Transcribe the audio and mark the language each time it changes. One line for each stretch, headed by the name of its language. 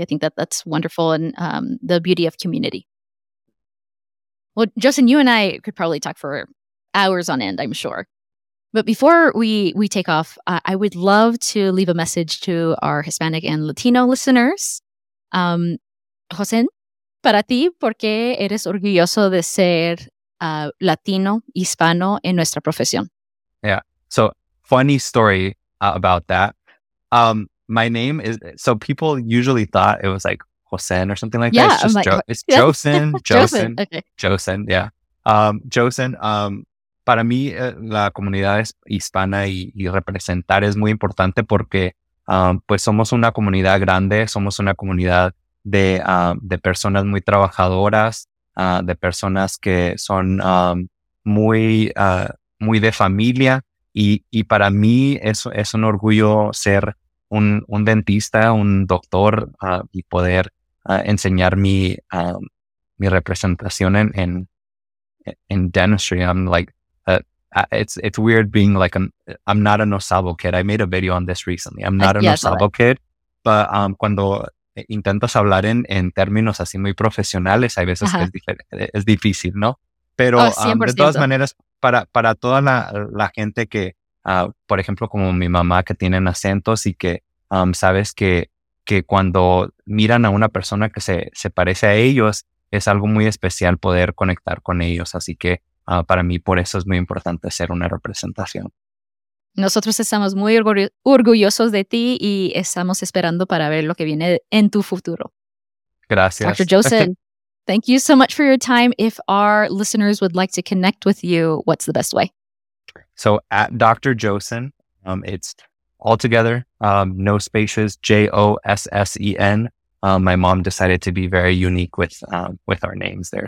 English: I think that's wonderful. And the beauty of community. Well, Jossen, you and I could probably talk for hours on end, I'm sure. But before we take off, I would love to leave a message to our Hispanic and Latino listeners.
Spanish: Jossen, para ti, ¿por qué eres orgulloso de ser Latino, Hispano en nuestra profesión.
English: Yeah. So funny story about that. My name is, so people usually thought it was like Jossen or something like yeah, that. It's just it's Jossen, Jossen, Jossen. Yeah.
Spanish: Jossen, para mí la comunidad hispana y representar es muy importante porque pues somos una comunidad grande, somos una comunidad de personas muy trabajadoras, de personas que son muy de familia y para mí eso es un orgullo ser un dentista, un doctor y poder enseñar mi representación en dentistry.
English: I'm like it's weird being like I'm not a Nosabo kid. I made a video on this recently. I'm not a Nosabo kid, but
Spanish: cuando intentas hablar en términos así muy profesionales, hay veces que es difícil, ¿no? Pero de todas maneras, para toda la gente que, por ejemplo, como mi mamá, que tienen acentos y que sabes que cuando miran a una persona que se parece a ellos, es algo muy especial poder conectar con ellos. Así que para mí, por eso es muy importante hacer una representación. Nosotros estamos muy orgullosos de ti y estamos esperando para ver lo que viene en tu futuro. Gracias.
English: Dr. Jossen, thank you so much for your time. If our listeners would like to connect with you, what's the best way? So at Dr. Jossen, it's all together, no spaces, Jossen. My mom decided to be very unique with our names there.